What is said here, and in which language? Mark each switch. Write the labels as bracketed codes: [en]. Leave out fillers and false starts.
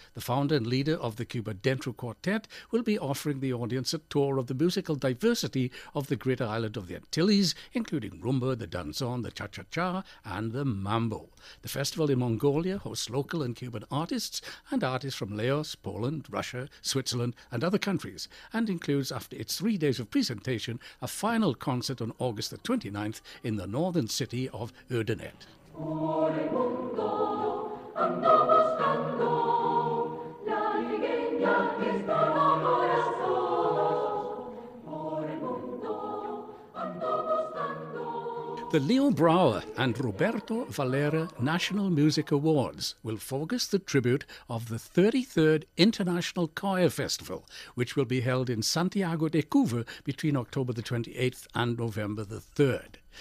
[en] The founder and leader of the Cuba Dentro Quartet will be offering the audience a tour of the musical diversity of the greater island of the Antilles, including rumba, the danzón, the cha-cha-cha, and the mambo. The festival in Mongolia hosts local and Cuban artists and artists from Laos, Poland, Russia, Switzerland, and other countries, and includes, after its 3 days of presentation, a final concert on August the 29th in the northern city of Urdaneta. [es] Por el mundo ando buscando la ligueña que está en los corazones. Por el mundo ando buscando. [en] The Leo Brower and Roberto Valera National Music Awards will focus the tribute of the 33rd International Choir Festival, which will be held in Santiago de Cuba between October the 28th and November the 3rd.